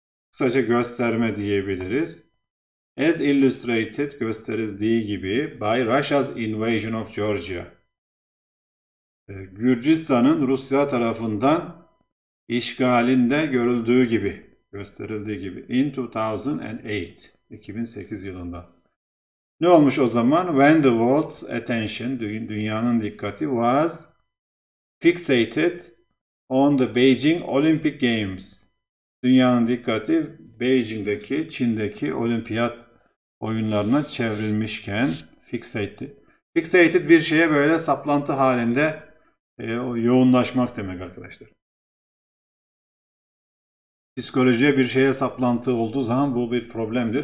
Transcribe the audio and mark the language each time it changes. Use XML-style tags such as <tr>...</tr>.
<tr>Kısaca gösterme diyebiliriz.</tr> <en>As illustrated,</en> <tr>gösterildiği gibi,</tr> <en>by Russia's invasion of Georgia.</en> <tr>Gürcistan'ın Rusya tarafından işgalinde görüldüğü gibi, gösterildiği gibi.</tr> <en>In 2008,</en> <tr>2008 yılında. Ne olmuş o zaman?</tr> <en>When the world's attention,</en> <tr>dünyanın dikkati</tr> <en>was fixated on the Beijing Olympic Games.</en> <tr>Dünyanın dikkati Beijing'deki, Çin'deki olimpiyat oyunlarına çevrilmişken fixated. Fixated bir şeye böyle saplantı halinde yoğunlaşmak demek arkadaşlar. Psikolojiye bir şeye saplantı olduğu zaman bu bir problemdir.</tr>